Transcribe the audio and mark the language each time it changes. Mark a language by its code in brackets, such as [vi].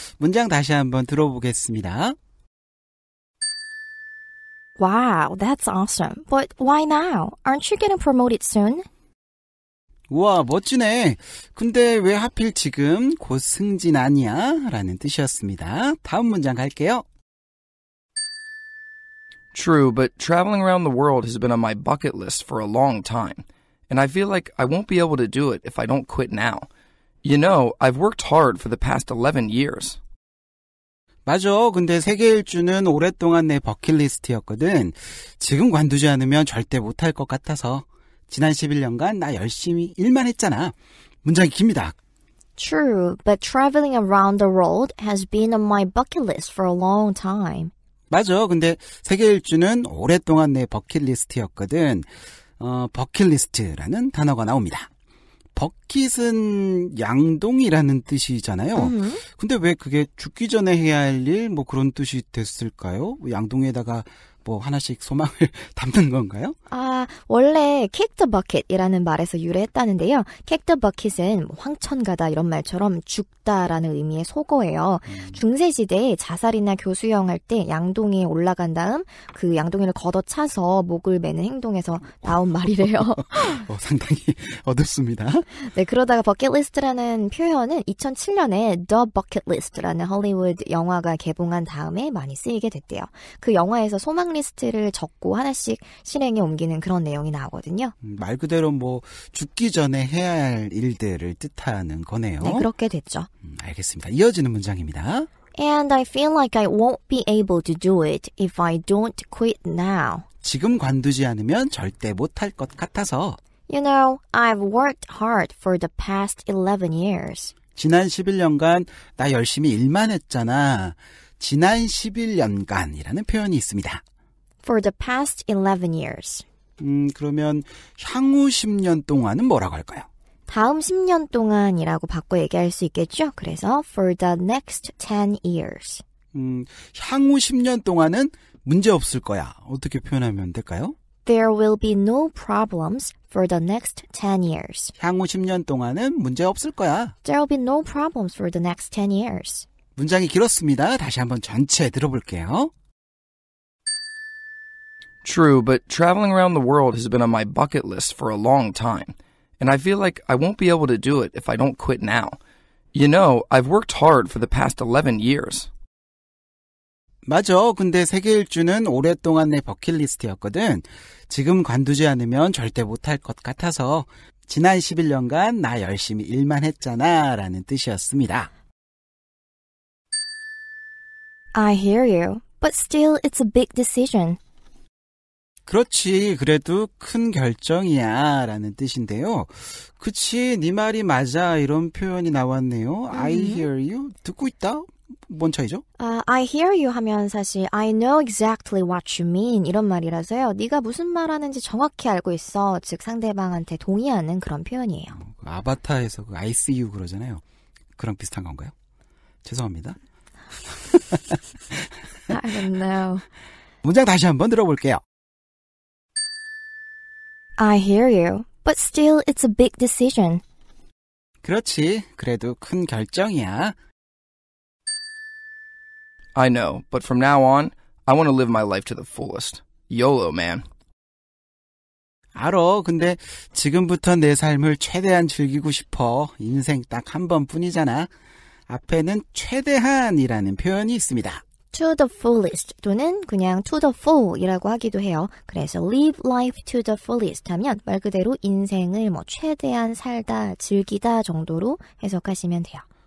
[ko] 문장 다시 한번 들어보겠습니다. [en] Wow, that's awesome. But why now? Aren't you getting promoted soon? [ko] 우와, 멋지네. 근데 왜 하필 지금 곧 승진 아니야? 라는 뜻이었습니다. 다음 문장 갈게요. [en] True, but traveling around the world has been on my bucket list for a long time. And I feel like I won't be able to do it if I don't quit now. You know, I've worked hard for the past 11 years. [ko] 맞아. 근데 세계 일주는 오랫동안 내 버킷리스트였거든. 지금 관두지 않으면 절대 못할 것 같아서. 지난 11년간 나 열심히 일만 했잖아. 문장이 깁니다. [en] True, but traveling around the world has been on my bucket list for a long time. [ko] 맞아. 근데 세계 일주는 오랫동안 내 버킷리스트였거든. 버킷리스트라는 단어가 나옵니다. 버킷은 양동이라는 뜻이잖아요. 근데 왜 그게 죽기 전에 해야 할 일 뭐 그런 뜻이 됐을까요? 양동에다가 뭐 하나씩 소망을 담는 건가요? 아, 원래 [en] kick the bucket [ko] 이라는 말에서 유래했다는데요. [en] Kick the bucket [ko] 은 황천가다 이런 말처럼 죽다라는 의미의 속어예요. 중세시대에 자살이나 교수형할 때 양동이에 올라간 다음 그 양동이를 걷어차서 목을 매는 행동에서 나온 말이래요. 상당히 어둡습니다. 네, 그러다가 버킷리스트라는 표현은 2007년에 The Bucket List라는 할리우드 영화가 개봉한 다음에 많이 쓰이게 됐대요. 그 영화에서 소망 리스트를 적고 하나씩 실행에 옮기는 그런 내용이 나오거든요. 말 그대로 뭐 죽기 전에 해야 할 일들을 뜻하는 거네요. 네, 그렇게 됐죠. 알겠습니다. 이어지는 문장입니다. [en] And I feel like I won't be able to do it if I don't quit now. [ko] 지금 관두지 않으면 절대 못할 것 같아서. [en] You know, I've worked hard for the past 11 years. [ko] 지난 11년간 나 열심히 일만 했잖아. 지난 11년간이라는 표현이 있습니다. [en] For the past 11 years. [ko] 그러면 향후 10년 동안은 뭐라고 할까요? 다음 10년 동안이라고 바꿔 얘기할 수 있겠죠? [en] 그래서 for the next 10 years. [ko] 향후 10년 동안은 문제 없을 거야. 어떻게 표현하면 될까요? [en] There will be no problems for the next 10 years. [ko] 향후 10년 동안은 문제 없을 거야. [en] There will be no problems for the next 10 years. [ko] 문장이 길었습니다. 다시 한번 전체 들어볼게요. [en] True, but traveling around the world has been on my bucket list for a long time. And I feel like I won't be able to do it if I don't quit now. You know, I've worked hard for the past 11 years. [ko] 맞아. 근데 세계 일주는 오랫동안 내 버킷리스트였거든. 지금 관두지 않으면 절대 못할 것 같아서 지난 11년간 나 열심히 일만 했잖아 라는 뜻이었습니다. [en] I hear you, but still it's a big decision. [ko] 그렇지, 그래도 큰 결정이야 라는 뜻인데요. 그치, 네 말이 맞아 이런 표현이 나왔네요. [en] I hear you, [ko] 듣고 있다? 뭔 차이죠? [en] I hear you 하면 사실 I know exactly what you mean [ko] 이런 말이라서요. 네가 무슨 말하는지 정확히 알고 있어. 즉 상대방한테 동의하는 그런 표현이에요. 아바타에서 그 [en] I see you [ko] 그러잖아요. 그런 비슷한 건가요? 죄송합니다. [en] I don't know. [ko] 문장 다시 한번 들어볼게요. [en] I hear you, but still it's a big decision. [ko] 그렇지, 그래도 큰 결정이야. [en] I know, but from now on, I want to live my life to the fullest. YOLO, man. [ko] 알어, 근데 지금부터 내 삶을 최대한 즐기고 싶어. 인생 딱 한 번뿐이잖아. 앞에는 최대한이라는 표현이 있습니다. [en] To the fullest 또는 그냥 to the full이라고 하기도 해요. [ko] 그래서 [en] live life to the fullest [ko] 하면 말 그대로 인생을 뭐 최대한 살다, 즐기다 정도로 해석하시면 돼요.